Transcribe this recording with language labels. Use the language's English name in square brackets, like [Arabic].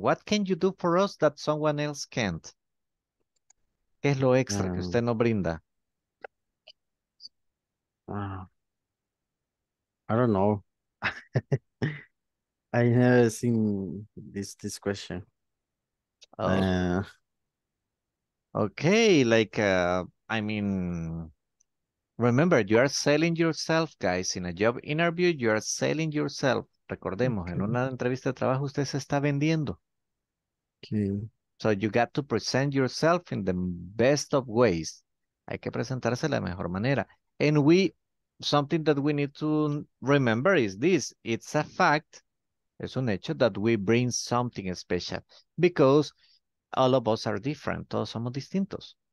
[English] What can you do for us that someone else can't? [Spanish] ¿Qué es lo extra que usted no brinda? [English] I don't know. I never seen this question. Okay, like, I mean, remember, you are selling yourself, guys. In a job interview, you are selling yourself. [Spanish] Recordemos, okay. En una entrevista de trabajo, usted se está vendiendo. [English] Okay. So you got to present yourself in the best of ways. [Spanish] Hay que presentarse de la mejor manera. [English] And we, something that we need to remember is this. It's a fact. [Spanish] Es un hecho [English] that we bring something special. Because all of us are different. [Spanish] Todos somos distintos.